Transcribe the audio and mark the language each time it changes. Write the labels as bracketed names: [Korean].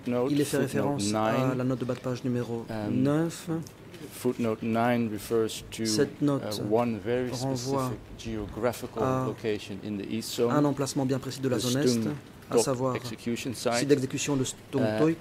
[French] Il est fait référence à la note de bas de page numéro 9. [English] Footnote 9 refers to [French] cette note [English] one very specific geographical location in the East Zone, [French] un emplacement bien précis de la zone Est, à savoir le site d'exécution de Stumtoik,